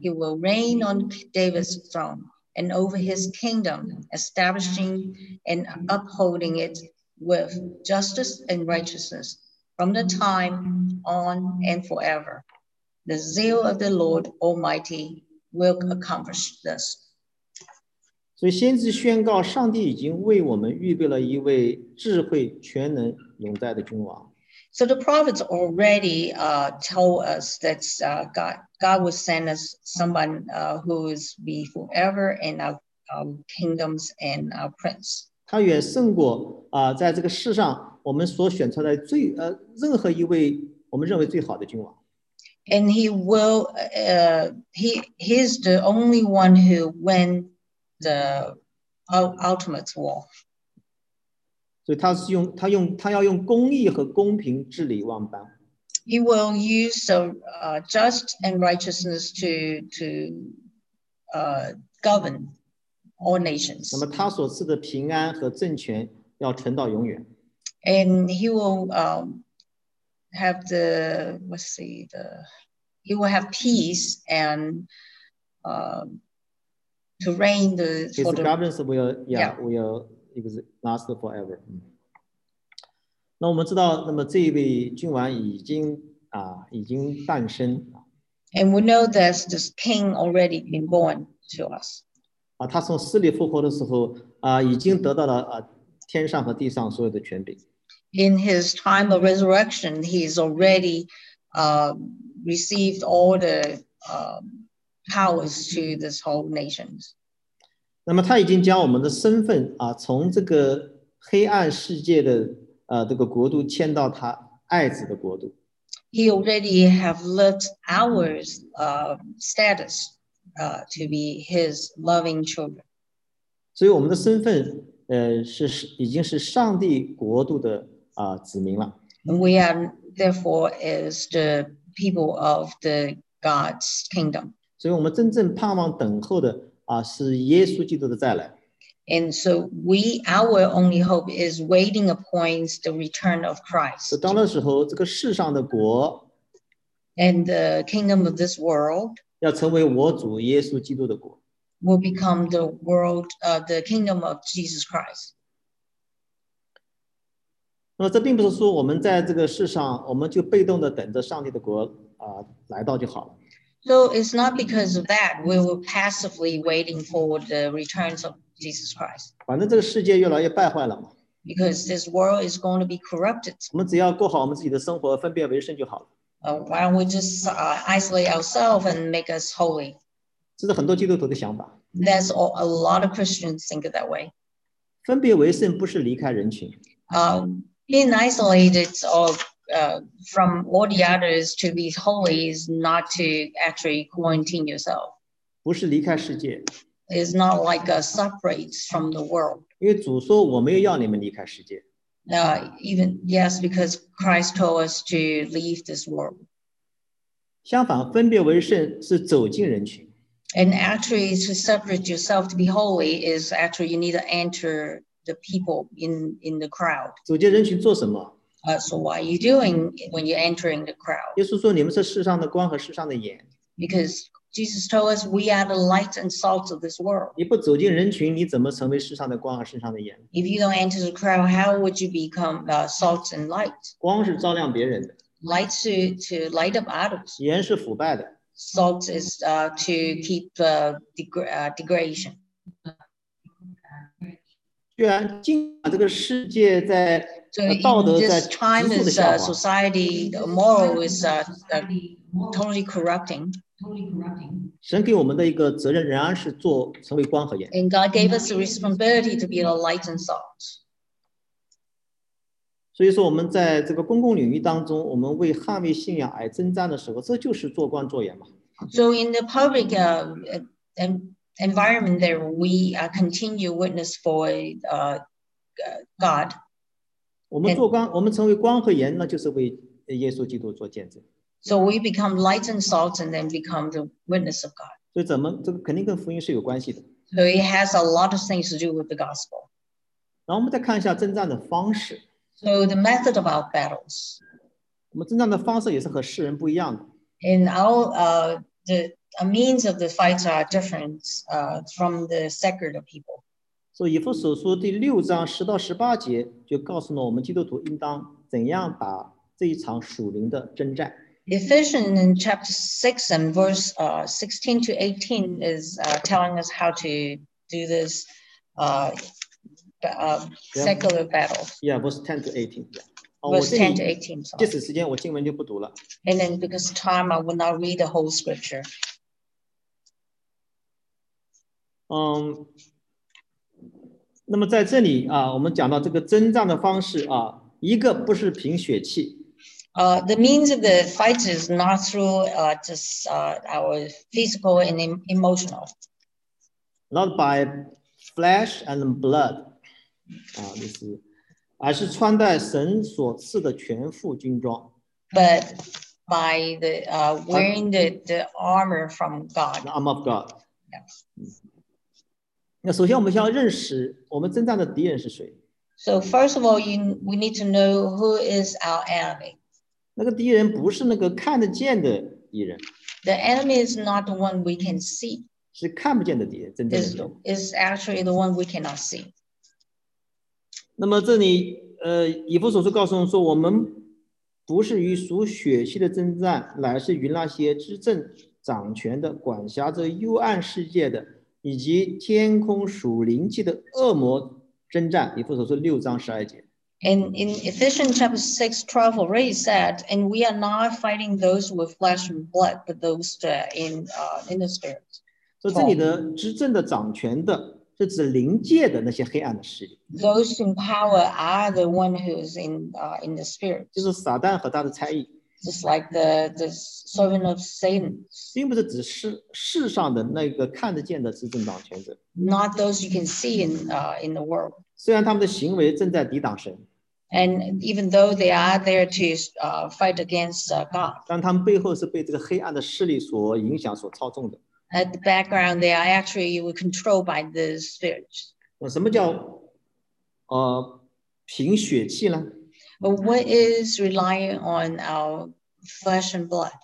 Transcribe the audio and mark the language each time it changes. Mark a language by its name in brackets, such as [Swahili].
[English] He will reign on David's throne and over his kingdom, establishing and upholding it with justice and righteousness from the time on and forever. The zeal of the Lord Almighty will accomplish this. [Chinese] 所以先知宣告，上帝已经为我们预备了一位智慧、全能、永在的君王。 [English] So the prophets already told us that God will send us someone who is be forever in our kingdoms and our prince. [Chinese] 他远胜过在这个世上我们所选出来最任何一位我们认为最好的君王。 [English] And he will he's the only one who win the ultimate war. [Chinese] 所以他要用公义和公平治理万邦。 [English] He will use just and righteousness to govern all nations. [Chinese] 那么他所赐的平安和政权要存到永远。 [English] And he will have the let's see the he will have peace and to reign the His governance will last forever. [Chinese] 那我们知道，那么这一位君王已经诞生。 [English] And we know that this king already been born to us. [Chinese] 啊，他从死里复活的时候，啊，已经得到了啊，天上和地上所有的权柄。 [English] In his time of resurrection, he's already, received all the, powers to this whole nations. [Chinese] 那么他已经将我们的身份啊，从这个黑暗世界的这个国度迁到他爱子的国度。 [English] He already have left our status to be his loving children. [Chinese] 所以我们的身份已经是上帝国度的子民了。 [English] We are therefore is the people of the God's kingdom. [Chinese] 所以我们真正盼望等候的是耶稣基督的再来。 [English] And so we, our only hope is waiting upon the return of Christ. [Chinese] 到那时候，这个世上的国 [English] and the kingdom of this world [Chinese] 要成为我主耶稣基督的国 [English] will become the world, the kingdom of Jesus Christ. [Chinese] 那么这并不是说我们在这个世上，我们就被动的等着上帝的国来到就好了。 [English] So it's not because of that we were passively waiting for the returns of Jesus Christ. [Chinese] 反正这个世界越来越败坏了嘛。 [English] Because this world is going to be corrupted. [Chinese] 我们只要过好我们自己的生活，分别为圣就好了。 [English] Why don't we just isolate ourselves and make us holy? [Chinese] 这是很多基督徒的想法。 [English] That's all, a lot of Christians think that way. [Chinese] 分别为圣不是离开人群。 [English] Being isolated or from all the others to be holy is not to actually quarantine yourself. [Chinese] 不是离开世界。 [English] Is not like a separate from the world. [Chinese] 因为主说我没有要你们离开世界。 [English] Even yes, because Christ told us to leave this world. [Chinese] 相反，分别为圣是走进人群。 [English] And actually, to separate yourself to be holy is actually you need to enter the people in the crowd. [Chinese] 走进人群做什么？ [English] So what are you doing when you're entering the crowd? [Chinese] 耶稣说你们是世上的光和世上的盐。 [English] Because Jesus told us we are the light and salt of this world. [Chinese] 你不走进人群，你怎么成为世上的光和世上的盐？ [English] If you don't enter the crowd, how would you become salt and light? [Chinese] 光是照亮别人的。 [English] Light to light up others. [Chinese] 盐是腐败的。 [English] Salt is to keep degradation. [Chinese] 居然竟把这个世界在道德在急速的下滑。 [English] Society, the moral is totally corrupting. [Chinese] 神给我们的一个责任仍然是做成为光和盐。 [English] And God gave us the responsibility to be a light and salt. [Chinese] 所以说我们在这个公共领域当中，我们为捍卫信仰而征战的时候，这就是做光做盐嘛。 [English] So in the public environment there, we continue witness for God. [Chinese] 我们做光，我们成为光和盐，那就是为耶稣基督做见证。 [English] So we become light and salt and then become the witness of God. [Chinese] 所以怎么这个肯定跟福音是有关系的。 [English] So it has a lot of things to do with the gospel. [Chinese] 然后我们再看一下征战的方式。 [English] So the method of our battles. [Chinese] 我们征战的方式也是和世人不一样的。 [English] And our, the means of the fight are different from the secular people. [Chinese] 所以以弗所书第六章十到十八节就告诉了我们基督徒应当怎样打这一场属灵的征战。 [English] Ephesians in chapter 6 and verse 16 to 18 is telling us how to do this secular battle. Yeah, verse 10 to 18. Verse 10 to 18, sorry. [Chinese] 这时间, [English] and then because of time, I will not read the whole scripture. [Chinese] 那么在这里啊，我们讲到这个征战的方式啊，一个不是凭血气。 [English] The means of the fight is not through our physical and emotional. Not by flesh and blood. [Chinese] 就是，而是穿戴神所赐的全副军装。 [English] But by the wearing the armor from God. The armor of God. Yes. [Chinese] 那首先我们要认识我们征战的敌人是谁。 [English] So first of all, we need to know who is our enemy. [Chinese] 那个敌人不是那个看得见的敌人。 [English] The enemy is not the one we can see. [Chinese] 是看不见的敌人，真正的敌人。 [English] Is actually the one we cannot see. [Chinese] 那么这里，以弗所书告诉我们说，我们不是与属血气的征战，乃是与那些执政掌权的、管辖着幽暗世界的以及天空属灵界的恶魔征战。以弗所书六章十二节。 [English] In Ephesians chapter 6, 12 already said, and we are not fighting those with flesh and blood, but those in the spirit. [Chinese] So, 这里的执政的、掌权的，是指灵界的那些黑暗的势力。 [English] Those in power are the one who is in the spirit. [Chinese] 就是撒旦和他的差役。 [English] Just like the servant of Satan. [Chinese] 并不是指世上的那个看得见的执政掌权者。 [English] Not those you can see in the world. [Chinese] 虽然他们的行为正在抵挡神， [English] and even though they are there to fight against God, [Chinese] 但他们背后是被这个黑暗的势力所影响、所操纵的。 [English] At the background, they are actually controlled by the spirit. [Chinese] 什么叫凭血气呢？ [English] What is relying on our flesh and blood?